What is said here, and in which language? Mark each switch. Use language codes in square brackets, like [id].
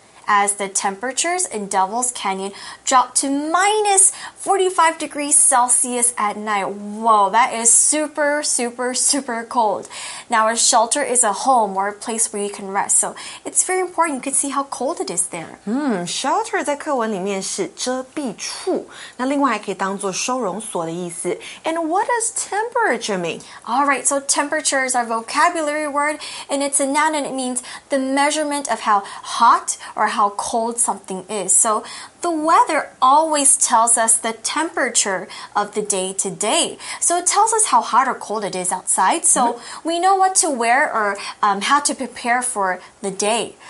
[en] As the temperatures in Devil's Canyon drop to minus 45 degrees Celsius at night. Whoa, that is super, super, super cold. Now, a shelter is a home or a place where you can rest. So, it's very important. You can see how cold it is there. [zh] Shelter 在课文里面是遮蔽处。那另外还可以当作收容所的意思。 [en] And what does temperature mean? All right, so temperature is our vocabulary word, and it's a noun, and it means the measurement of how hot or how cold something is. So the weather always tells us the temperature of the day to day. So it tells us how hot or cold it is outside. So、mm-hmm. we know what to wear or、how to prepare for the day.